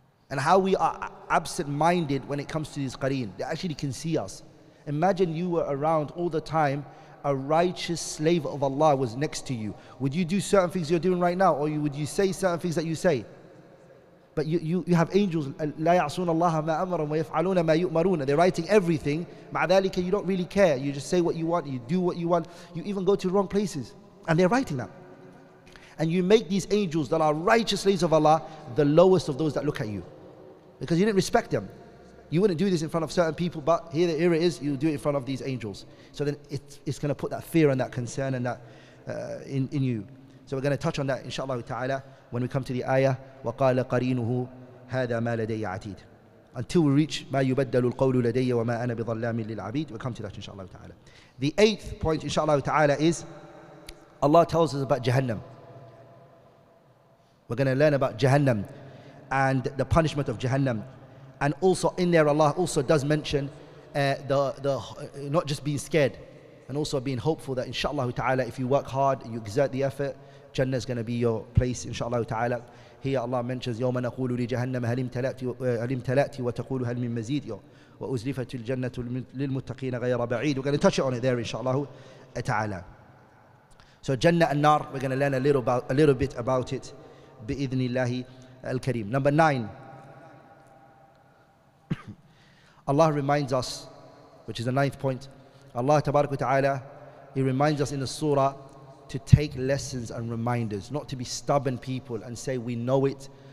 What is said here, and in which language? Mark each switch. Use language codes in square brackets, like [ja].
[en] And how we are absent-minded when it comes to this Qareen. They actually can see us. Imagine you were around all the time, a righteous slave of Allah was next to you. Would you do certain things you're doing right now? Or would you say certain things that you say? But you have angels. [ar] لا يعصون الله ما أمرهم ويفعلون ما يؤمرون. [en] They're writing everything. [ar] مع ذلك, [en] you don't really care. You just say what you want. You do what you want. You even go to the wrong places. And they're writing that. And you make these angels that are righteous slaves of Allah the lowest of those that look at you. Because you didn't respect them. You wouldn't do this in front of certain people, but here it is, you do it in front of these angels. So then it's going to put that fear and that concern and that in you. So we're going to touch on that, inshallah ta'ala, when we come to the ayah, [ar] وَقَالَ قَرِينُهُ هَذَا مَا لَدَيَّ عَتِيدٌ. [en] Until we reach, [ar] مَا يُبَدَّلُ الْقَوْلُ لَدَيَّ وَمَا أَنَا بِظَلَّامٍ لِلْعَبِيدٍ. [en] We'll come to that, inshallah ta'ala. The eighth point, inshallah ta'ala, is Allah tells us about Jahannam. We're going to learn about Jahannam and the punishment of Jahannam. And also in there, Allah also does mention not just being scared, and also being hopeful that inshallah ta'ala, if you work hard, you exert the effort, Jannah is going to be your place, inshallah ta'ala. Here Allah mentions, [ar] يَوْمَ نَقُولُ لِجَهَنَّمَ هَلِمْتَلَأْتِ وَتَقُولُ هَلْ مِنْ مَزِيدٍ وَأُزْلِفَتُ الْجَنَّةُ لِلْمُتَّقِينَ غَيْرَ بَعِيدٍ. [en] We're going to touch it on it there, inshallah ta'ala. So Jannah and Nar, we're going to learn a little bit about it, [ar] بِإِذْنِ اللَّهِ الْكَرِيمِ. [en] Number nine. Allah reminds us, which is the ninth point, Allah tabarak wa ta'ala, He reminds us in the surah to take lessons and reminders, not to be stubborn people and say we know it.